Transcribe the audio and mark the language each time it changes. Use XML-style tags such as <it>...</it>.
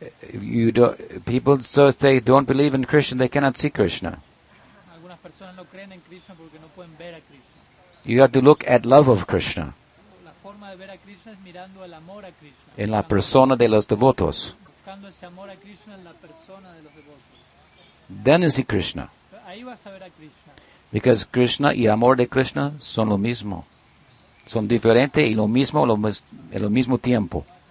<en>You don't, people so they don't believe in Krishna, they cannot see Krishna.</en> <es>Algunas personas no creen en Krishna porque no pueden ver a Krishna.</es> <en>You have to look at love of Krishna.</en> <es>La forma de ver a Krishna es mirando el amor a Krishna. En la persona de los devotos. Buscando ese amor a Krishna en la persona de los devotos.</es> <en>Then you see Krishna.</en> <es>Ahí vas a ver a Krishna. Because Krishna y amor de Krishna son lo mismo. Son diferentes y lo mismo en lo mismo tiempo.</es>